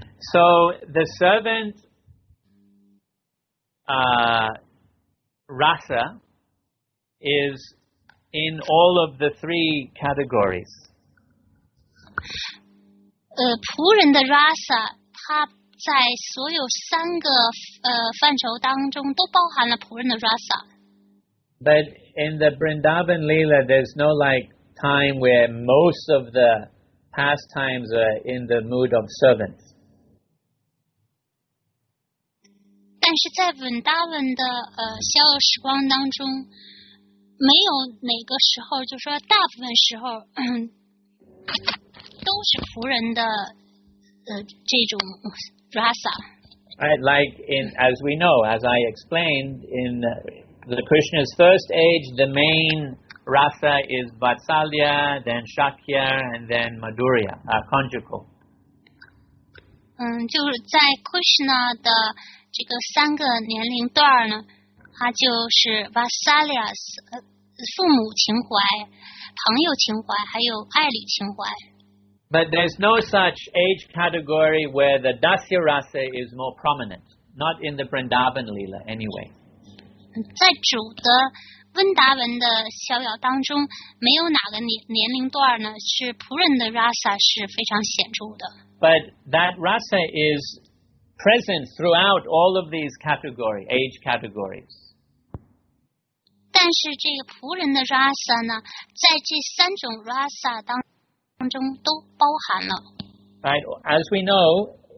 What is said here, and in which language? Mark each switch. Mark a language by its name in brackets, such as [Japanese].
[English] So the servant, Rasa, is in all of the three categories. [Chinese] 仆人的 Rasa。他在所有三个范畴当中都包含了仆人的 rasa。 [English] But in the Vrindavan Leela, there's no like time where most of the pastimes are in the mood of servants. [Chinese] 但是在 Vrindavan 的逍遥时光当中，没有哪个时候，就是说大部分时候，都是仆人的。 [English] Right, like in, as we know, as I explained, in the Krishna's first age, the main rasa is Vatsalya, then Shakya, and then Madhurya, conjugal. [Chinese] 就是在 Krishna 的这个三个年龄段呢，它就是 Vatsalya， 父母情怀、朋友情怀，还有爱侣情怀。 [English] But there's no such age category where the Dasya Rasa is more prominent, not in the Vrindavan Leela anyway. [Chinese] 在主的温达文的逍遥当中，没有哪个年龄段呢是仆人的 Rasa 是非常显著的。 [English] But that Rasa is present throughout all of these category, age categories. [Chinese] 但是这个仆人的 Rasa 呢，在这三种 Rasa 当中都包含了。 [English] Right, as we know,